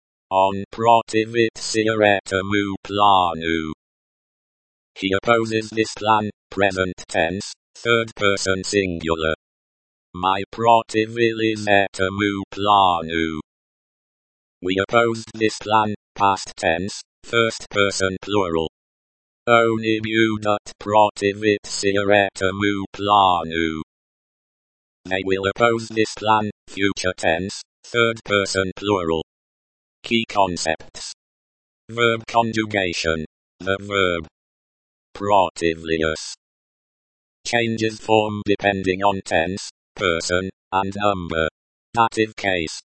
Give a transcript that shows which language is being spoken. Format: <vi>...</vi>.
<ru>On противится этому плану.</ru> <en>He opposes this plan, present tense, third person singular.</en> <ru>Мы противились этому плану.</ru> <en>We opposed this plan, past tense, first person plural.</en> <ru>Они будут противиться этому плану.</ru> <en>They will oppose this plan, future tense, third person plural. Key concepts. Verb conjugation. The verb противлюсь changes form depending on tense, person, and number. Dative case.</en>